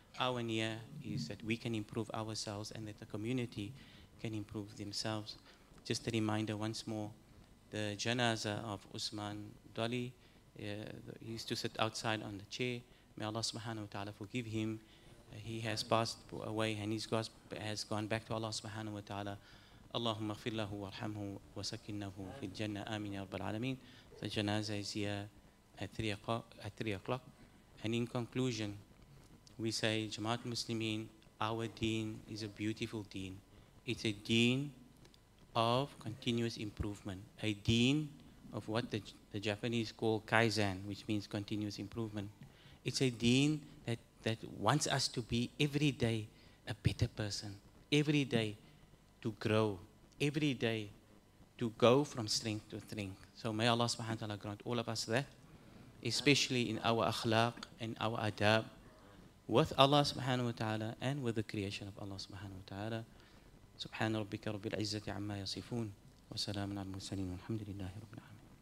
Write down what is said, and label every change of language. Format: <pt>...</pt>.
<en>Our niyyah is that we can improve ourselves and that the community can improve themselves. Just a reminder once more, the janazah of Usman Dolly. He used to sit outside on the chair. May Allah subhanahu wa ta'ala forgive him. He has passed away and his ghost has gone back to Allah subhanahu wa ta'ala.</en> <ar>اللهم اغفر له وارحمه وسكنه في الجنة آمين يا رب العالمين.</ar> <en>The janazah is here at 3 o'clock. And in conclusion, we say, Jamaat Muslimin, our deen is a beautiful deen. It's a deen of continuous improvement, a deen of what the Japanese call Kaizen, which means continuous improvement. It's a deen that wants us to be every day a better person, every day to grow, every day to go from strength to strength. So may Allah subhanahu wa ta'ala grant all of us that, especially in our akhlaq and our adab with Allah subhanahu wa ta'ala and with the creation of Allah subhanahu wa ta'ala.</en> <ar>سبحان ربك رب العزة عما يصفون وسلام على المرسلين والحمد لله رب العالمين.</ar>